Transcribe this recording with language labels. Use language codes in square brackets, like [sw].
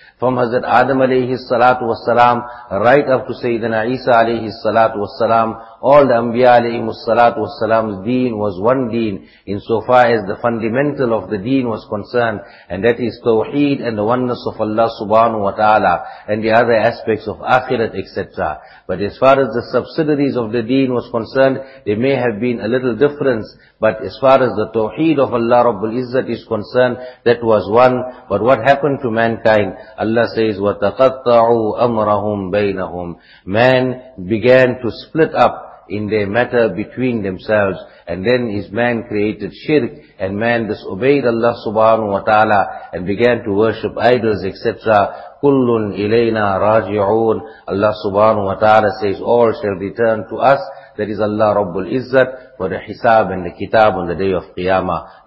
[en] From Hazrat Adam alayhi salatu wassalam, right up to Sayyidina Isa alayhi salatu wassalam, all the Anbiya alayhi salatu wassalam's deen was one deen, insofar as the fundamental of the deen was concerned, and that is tawheed and the oneness of Allah subhanahu wa ta'ala, and the other aspects of akhirat, etc. But as far as the subsidiaries of the deen was concerned, there may have been a little difference, but as far as the tawheed of Allah Rabbul Izzat is concerned, that was one. But what happened to mankind? Allah says, [ar] وَتَقَطَّعُوا أَمْرَهُمْ بَيْنَهُمْ. [en] Man began to split up in their matter between themselves. And then his man created shirk, and man disobeyed Allah subhanahu wa ta'ala and began to worship idols, etc. [ar] كُلٌّ إِلَيْنَا رَاجِعُونَ. [en] Allah subhanahu wa ta'ala says, all shall return to us. That is Allah Rabbul Izzat, for the hisab and the kitab on the day of Qiyamah.